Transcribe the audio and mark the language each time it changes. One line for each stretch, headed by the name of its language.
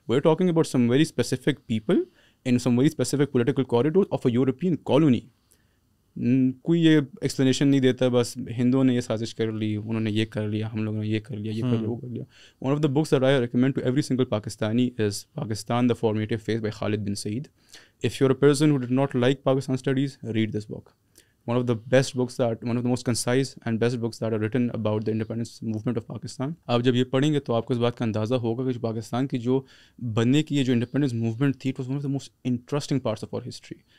English: We're talking about some very specific people in some very specific political corridors of a European colony.
Urdu: کوئی یہ explanation نہیں دیتا, بس ہندوؤں نے یہ سازش کر لی, انہوں نے یہ کر لیا, ہم لوگوں نے یہ کر لیا, یہ کر لیا, وہ کر لیا.
English: One of the books that I recommend to every single Pakistani is Pakistan the formative phase by Khalid bin Saeed. If you are a person who did not like Pakistan studies, read this book. One of the best books that, one of the most concise and best books that are written about the independence movement of Pakistan.
Urdu: آپ جب یہ پڑھیں گے تو آپ کو اس بات کا اندازہ ہوگا کہ پاکستان کی جو بننے کی جو انڈیپینڈنس موومنٹ تھی,
English: It was one of the most interesting parts of our history.